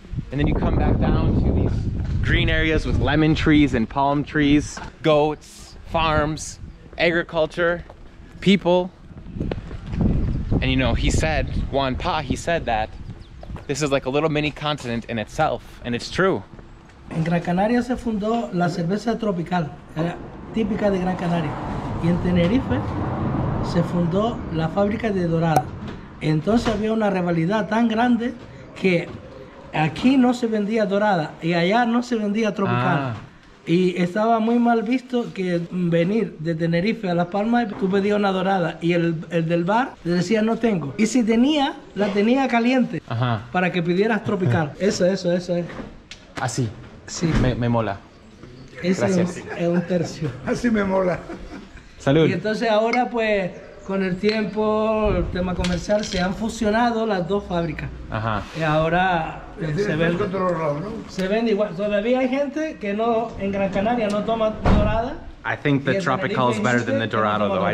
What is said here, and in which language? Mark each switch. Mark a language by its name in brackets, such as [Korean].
[English] And then you come back down to these green areas with lemon trees and palm trees, goats, farms, agriculture, people. And you know, he said, Juan Pa, he said that this is like a little mini continent in itself, and it's true. [Spanish] En Gran Canaria se fundó la cerveza tropical, era típica de Gran Canaria. Y en Tenerife se fundó la fábrica de Dorada. Entonces había una rivalidad tan grande que aquí no se vendía Dorada y allá no se vendía tropical. Ah. Y estaba muy mal visto que venir de Tenerife a Las Palmas, tú pedías una Dorada y el del bar le decía no tengo. Y si tenía, la tenía caliente. Ajá. Para que pidieras tropical. Eso es. Así. Sí. Me mola. Ese es un tercio. Así me mola. Salud. Y entonces ahora pues con el tiempo, el tema comercial, se han fusionado las dos fábricas. Ajá. Y ahora se vende. Controlado, ¿no? Se vende igual. Todavía hay gente que no en Gran Canaria no toma Dorada. [English] I think the tropical is better than the Dorado though.